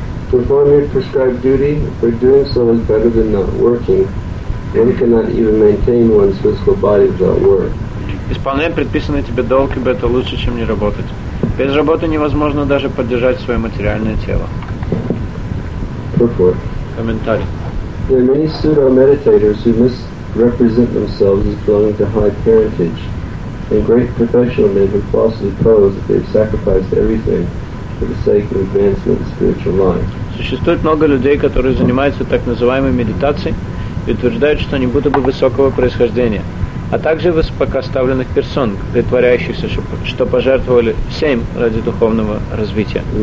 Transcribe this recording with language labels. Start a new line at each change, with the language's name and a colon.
English: Performing prescribed duty, but doing so is better than not working. One cannot even maintain one's physical body without work.
Russian: Исполняя предписанный тебе долг, ибо это лучше, чем не работать. Без работы невозможно даже поддержать свое материальное тело.
English: Purport.
Russian: Комментарий.
English: There are many pseudo-meditators who misrepresent themselves as belonging to high parentage, and great professional men who falsely pose that they've sacrificed everything for the sake of advancement in spiritual life.
Russian: Существует много людей, которые занимаются так называемой медитацией и утверждают, что они будто бы высокого происхождения, а также высокопоставленных персон, притворяющихся, что пожертвовали всем ради духовного развития.